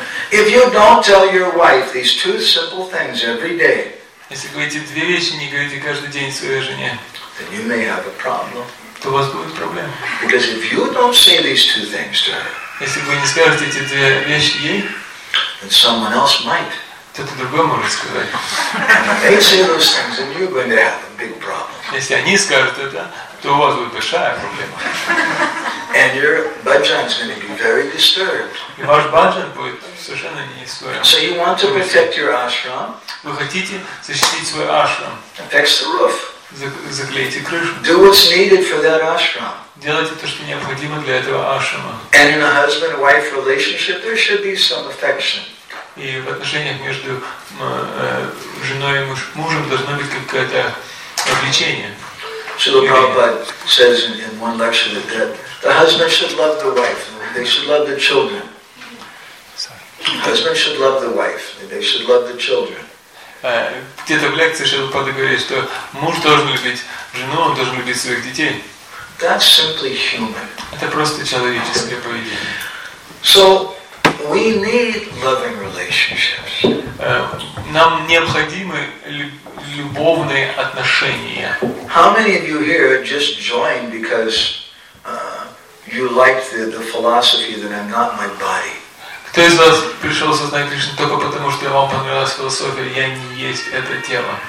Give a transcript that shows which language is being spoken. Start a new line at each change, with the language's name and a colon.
English: If you don't tell your wife these two simple things every day,
Russian: если вы эти две вещи не говорите каждый день своей жене,
English: then you may have a problem.
Russian: То у вас будет проблема.
English: Because if you don't say these two things to her,
Russian: если вы не скажете эти две вещи ей,
English: and someone else might.
Russian: Кто-то другой может сказать.
English: And they say those things, and you're going to have a big problem.
Russian: Если они скажут это, то у вас будет большая проблема.
English: And your bhajan's going to be very disturbed.
Russian: И ваш bhajan будет совершенно не свой.
English: So you want to protect your ashram?
Russian: Вы хотите защитить свой ашрам?
English: Fix the roof.
Russian: Заклейте крышу.
English: Do what's needed for that ashram.
Russian: Делайте то, что необходимо для этого ашрама.
English: And in a husband-wife relationship, there should be some affection.
Russian: И в отношениях между женой и мужем должно быть какое-то влечение.
English: Srila Prabhupada says in one lecture that the husband should love the wife, they should love the children. Husband should love the wife. They should love the children.
Russian: Где-то в лекции Шилпада говорит, что муж должен любить жену, он должен любить своих детей.
English: That's simply human.
Russian: Это просто человеческое поведение.
English: So we need loving relationships.
Russian: Нам необходимы любовные отношения.
English: How many of you here just joined because you liked the philosophy that I'm not my body?
Russian: Кто из вас пришел сознание Кришны только потому, что вам понравилась философия «Я не есть это тело»?